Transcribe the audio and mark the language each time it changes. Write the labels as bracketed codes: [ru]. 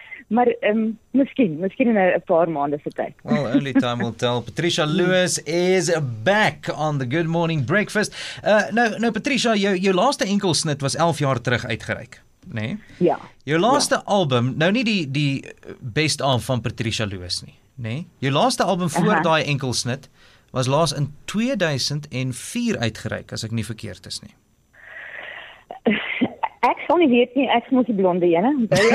[af] Maar miskien in 'n paar maande se tyd. [en] Well, only time will tell. Patricia Lewis is back on the Good Morning Breakfast. [af] Nou Patricia, jou laaste enkelsnit was 11 jaar terug uitgereik, nê? Nee? Ja. Jou laaste album, nou nie die best of van Patricia Lewis nie, nê? Nee? Jou laaste album voor daai enkelsnit was laas in 2004 uitgereik, as ek nie verkeerd is nie. Ek sal nie weet nie, ek moet die blonde jene.